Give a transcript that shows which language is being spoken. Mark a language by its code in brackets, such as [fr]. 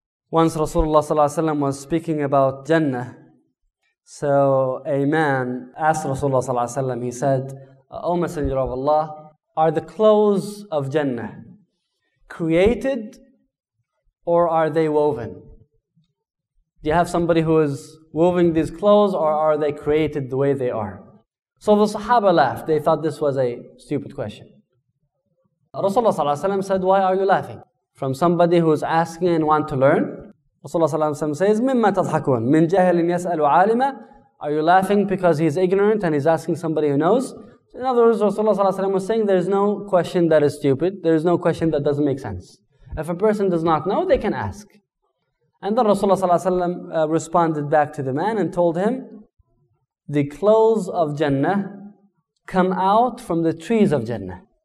[en] Once Rasulullah sallallahu alaihi wasallam was speaking about Jannah, so a man asked Rasulullah sallallahu alaihi wasallam, he said, O Messenger of Allah, are the clothes of Jannah created, or are they woven? Do you have somebody who is woving these clothes, or are they created the way they are? So the Sahaba laughed. They thought this was a stupid question. Rasulullah sallallahu alaihi wasallam said, why are you laughing? From somebody who is asking and want to learn? Rasulullah sallallahu alaihi wasallam says, [ar] مِمَّا تَضْحَكُونَ مِنْ جَهَلٍ يَسْأَلُ عَالِمًا. [en] Are you laughing because he's ignorant and he's asking somebody who knows? So in other words, Rasulullah sallallahu alaihi wasallam was saying, there is no question that is stupid. There is no question that doesn't make sense. If a person does not know, they can ask. And then Rasulullah sallallahu alaihi wasallam responded back to the man and told him, the clothes of Jannah come out from the trees of Jannah.